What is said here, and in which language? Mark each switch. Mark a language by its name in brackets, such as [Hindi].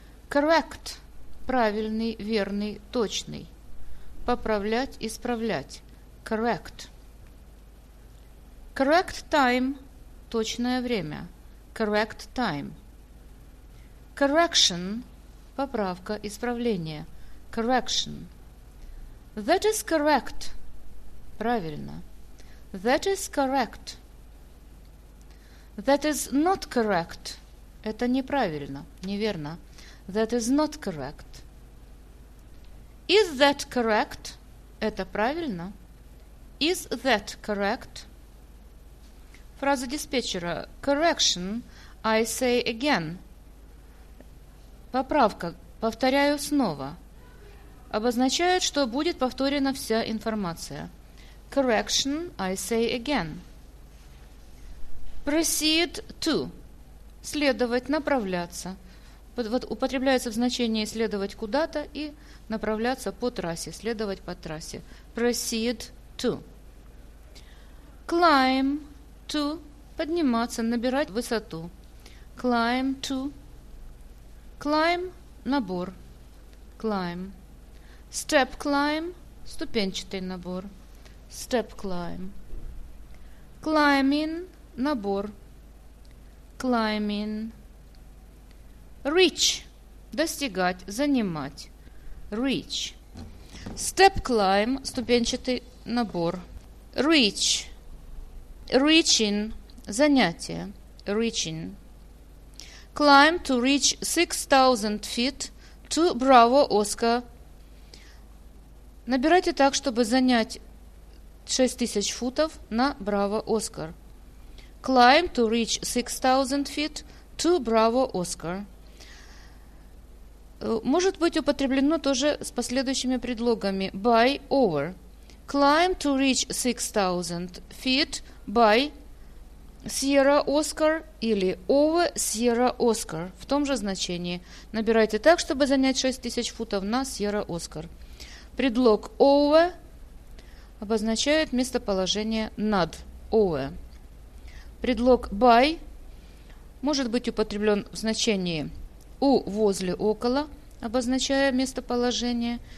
[Russian] Correct – правильный, верный, точный. Поправлять, исправлять. [English] Correct. Correct time [Russian] – точное время. [English] Correct time. [Russian] Correction – поправка, исправление. [English] Correction. That is correct – [Russian] правильно. [English] That is correct. That is not correct – [Russian] это неправильно, неверно. [English] That is not correct. Is that correct – это правильно. Is that correct – [Russian] фраза диспетчера. [English] Correction, I say again. [Russian] Поправка, повторяю снова. Обозначает, что будет повторена вся информация. [English] Correction, I say again. Proceed to. [Russian] Следовать, направляться. Вот употребляется в значении следовать куда-то и направляться по трассе. Следовать по трассе. [English] Proceed to. Climb to. [Russian] Подниматься, набирать высоту. [English] Climb to. Climb – набор. Climb. Step climb – [Russian] ступенчатый набор. [English] Step climb. Climbing – набор. Climbing. [Russian] Reach – достигать, занимать. [English] Reach. Step climb – [Russian] ступенчатый набор. [English] Reach. Reaching – занятие. Reaching. Climb to reach 6,000 feet to Bravo Oscar. [Russian] Набирайте так, чтобы занять 6,000 футов на Bravo Oscar. [English] Climb to reach 6,000 feet to Bravo Oscar. [Russian] Может быть употреблено тоже с последующими предлогами. [English] By, over. Climb to reach 6,000 feet by Sierra Oscar [Russian] или [English] over Sierra Oscar [Russian] в том же значении. Набирайте так, чтобы занять 6000 футов на Sierra Oscar. Предлог over обозначает местоположение над, over. Предлог by может быть употреблен в значении у, возле, около, обозначая местоположение.